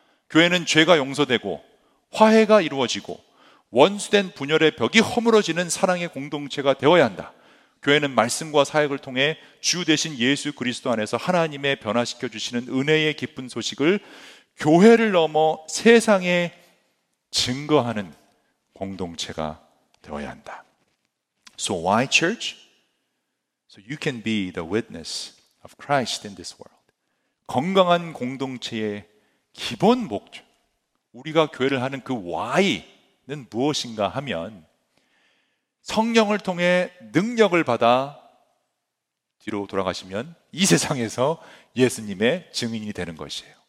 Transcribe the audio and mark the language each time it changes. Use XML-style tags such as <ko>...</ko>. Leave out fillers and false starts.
<ko>교회는 죄가 용서되고 화해가 이루어지고 원수된 분열의 벽이 허물어지는 사랑의 공동체가 되어야 한다. 교회는 말씀과 사역을 통해 주 대신 예수 그리스도 안에서 하나님의 변화시켜 주시는 은혜의 기쁜 소식을 교회를 넘어 세상에 증거하는 공동체가 되어야 한다.</ko> <en>So why church? So you can be the witness of Christ in this world.</en> <ko>건강한 공동체의 기본 목적, 우리가 교회를 하는 그 why는 무엇인가 하면 성령을 통해 능력을 받아 뒤로 돌아가시면 이 세상에서 예수님의 증인이 되는 것이에요.</ko>